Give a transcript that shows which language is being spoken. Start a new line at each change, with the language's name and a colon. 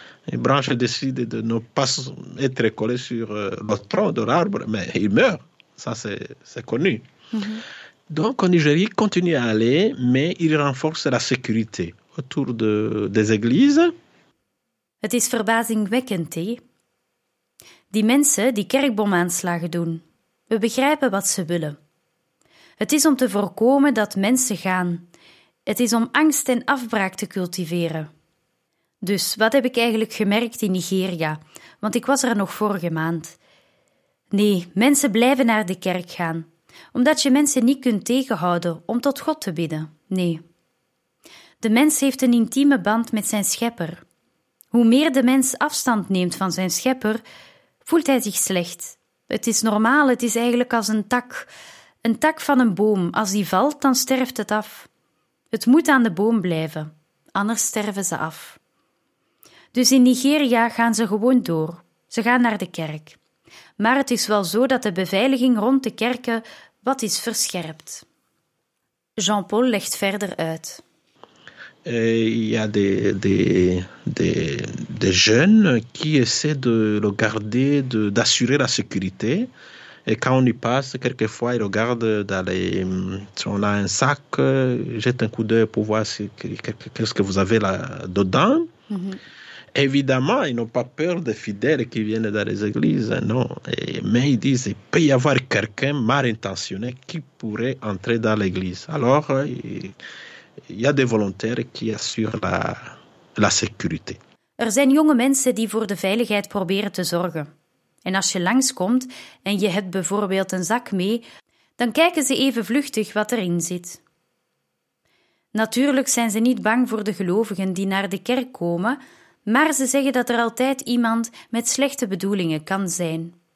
French: Une branche décide de ne pas être collée sur le tronc de l'arbre, mais il meurt. Ça, c'est connu. Donc, au Nigeria, il continue à aller, mais il renforce la sécurité autour des églises.
Dutch: Het is verbazingwekkend, hé? Die mensen die kerkbomaanslagen doen, we begrijpen wat ze willen. Het is om te voorkomen dat mensen gaan. Het is om angst en afbraak te cultiveren. Dus, wat heb ik eigenlijk gemerkt in Nigeria? Want ik was er nog vorige maand. Nee, mensen blijven naar de kerk gaan. Omdat je mensen niet kunt tegenhouden om tot God te bidden, nee. De mens heeft een intieme band met zijn schepper. Hoe meer de mens afstand neemt van zijn schepper, voelt hij zich slecht. Het is normaal, het is eigenlijk als een tak van een boom. Als die valt, dan sterft het af. Het moet aan de boom blijven, anders sterven ze af. Dus in Nigeria gaan ze gewoon door, ze gaan naar de kerk. Maar het is wel zo dat de beveiliging rond de kerken wat is verscherpt. Jean-Paul legt verder uit.
French: Il y a des jeunes qui essaient de le garder, d'assurer la sécurité. Et quand on y passe, quelquefois, ils regardent dans les... Si on a un sac, jette un coup d'œil pour voir ce que vous avez là-dedans. Évidemment, ils n'ont pas peur des fidèles qui viennent dans les églises, non. Mais ils disent, il peut y avoir quelqu'un mal intentionné qui pourrait entrer dans l'église. Alors, il y a des volontaires qui assurent la sécurité.
Dutch: Er zijn jonge mensen die voor de veiligheid proberen te zorgen. En als je langskomt en je hebt bijvoorbeeld een zak mee, dan kijken ze even vluchtig wat erin zit. Natuurlijk zijn ze niet bang voor de gelovigen die naar de kerk komen, maar ze zeggen dat er altijd iemand met slechte bedoelingen kan zijn.